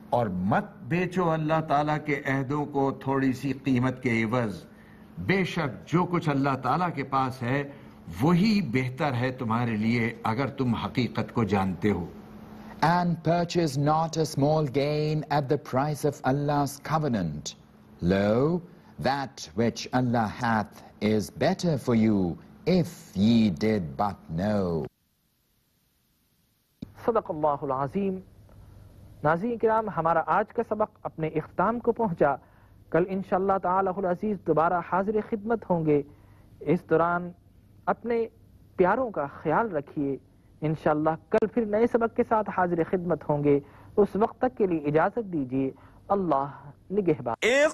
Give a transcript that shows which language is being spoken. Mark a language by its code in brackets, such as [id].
[ur] اور مت بیچو اللہ تعالیٰ کے عہدوں کو تھوڑی سی قیمت کے عوض, بے شک جو کچھ اللہ تعالیٰ کے پاس ہے وہی بہتر ہے تمہارے لیے اگر تم حقیقت کو جانتے ہو. [en] And purchase not a small gain at the price of Allah's covenant. Lo, that which Allah hath is better for you, if ye did but know. [ar] صدق اللہ العظیم. [ur] ناظرین کرام, ہمارا آج کا سبق اپنے اختتام کو پہنچا. کل انشاءاللہ تعالی العزیز دوبارہ حاضر خدمت ہوں گے. اس دوران اپنے پیاروں کا خیال رکھیے. انشاءاللہ کل پھر نئے سبق کے ساتھ حاضر خدمت ہوں گے. اس وقت تک کے لیے اجازت دیجیے. اللہ نگہبان.